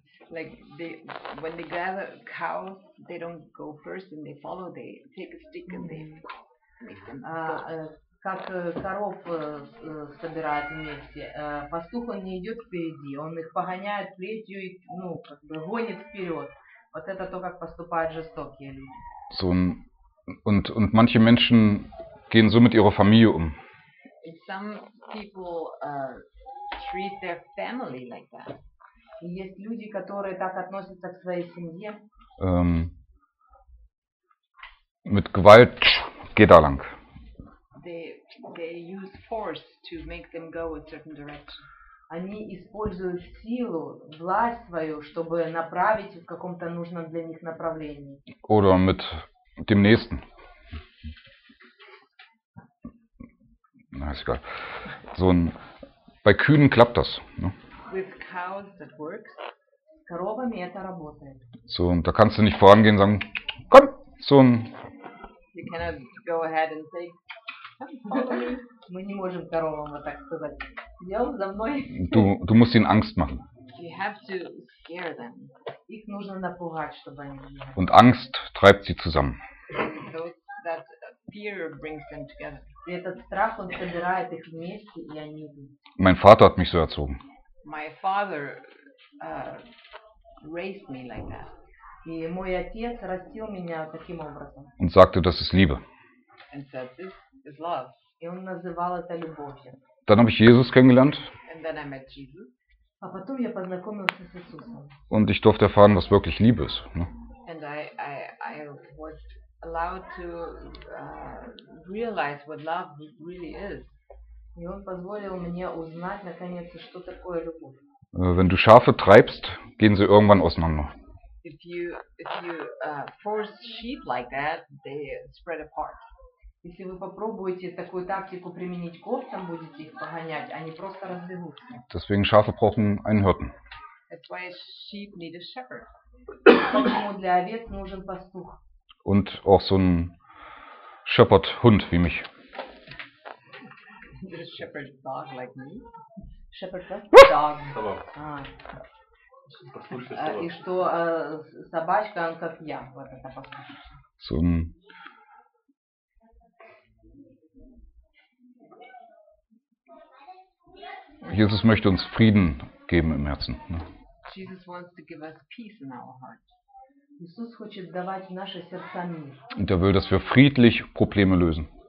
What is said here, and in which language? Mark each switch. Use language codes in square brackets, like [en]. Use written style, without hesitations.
[en] Like they, when they gather cows, they don't go first and they follow. They take a stick and they make them. [ru] Как коров собирают вместе. Пастух он не идет впереди, он их погоняет плетью и ну как бы гонит вперед. Вот это то, как поступают жестокие люди. [de] So, und manche Menschen gehen so mit ihrer Familie um. [en] And some people treat their family like that. [ru] Есть люди, которые так относятся к своей семье. [de] Mit Gewalt geht da lang. [en] They use force to make them go a certain direction. [ru] Они используют силу, власть свою, чтобы направить в каком-то нужном для них направлении. [de] Oder mit dem nächsten. Na, ist egal. So ein, bei Kühen klappt das, ne? [en] With cows that works. [ru] Коровами это работает. [de] So, und da kannst du nicht vorangehen und sagen, komm, so ein... [en] You cannot go ahead and say, come, [ru] мы не можем коровам вот так сказать. Идем за мной. [de] Du musst ihnen Angst machen. [en] You have to scare them. [ru] Их нужно напугать, чтобы они... [de] Und Angst treibt sie zusammen. [en] So that fear brings them together. [ru] И этот страх, он собирает их вместе, и они... [de] Mein Vater hat mich so erzogen. [en] My father raised me like that. [ru] И мой отец растил меня таким образом. [de] Und sagte, das ist Liebe. [en] And said, this is love. [ru] И он называл это любовью. [de] Dann habe ich Jesus kennengelernt. [en] And then I met Jesus. [ru] А потом я познакомился с Иисусом. [de] Und ich durfte erfahren, was wirklich Liebe ist. Ne? [en] And I was allowed to realize what love really is. [ru] И он позволил мне узнать, наконец, что такое любовь. [de] Wenn du Schafe treibst, gehen sie irgendwann auseinander. [en] If you force sheep like that, they spread apart. [ru] Если вы попробуете такую тактику применить к овцам, будете их погонять, они просто разбегутся. [de] Deswegen Schafe brauchen einen Hirten. [en] That's why sheep need a shepherd. [ru] Поэтому для овец нужен пастух. [de] Und auch so ein Shepherd Hund wie mich. [en] A shepherd dog like me. Shepherd what? Dog. [ru] И что собачка, он как я. Вот это [de] so ein Jesus möchte uns Frieden geben im Herzen. Ne? [en] Jesus wants to give us peace in our heart. [ru] Jesus хочет давать наши сердца мир. [de] Und er will, dass wir friedlich Probleme lösen.